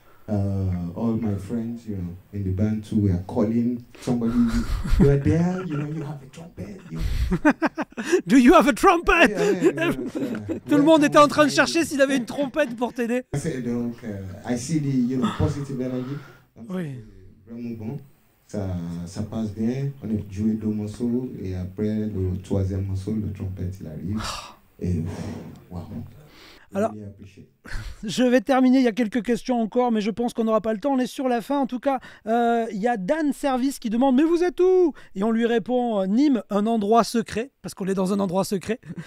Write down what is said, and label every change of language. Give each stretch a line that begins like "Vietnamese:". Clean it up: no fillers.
English: All my friends, you know, in the band too, we are calling somebody, you are there, you know, you have a trumpet, you know. Do you have a trumpet?
French: Yeah, yeah, yeah, tout le monde était en train de chercher s'il avait une trompette pour t'aider.
English: Donc, I see the you know, positive energy.
French: Oui. Vraiment bon. Ça passe bien. On a joué deux morceaux et après le troisième morceau, le trompette, il arrive. Et waouh. Alors, je vais terminer, il y a quelques questions encore, mais je pense qu'on n'aura pas le temps, on est sur la fin en tout cas. Il y a Dan Service qui demande « Mais vous êtes où ?» Et on lui répond « Nîmes, un endroit secret », parce qu'on est dans un endroit secret.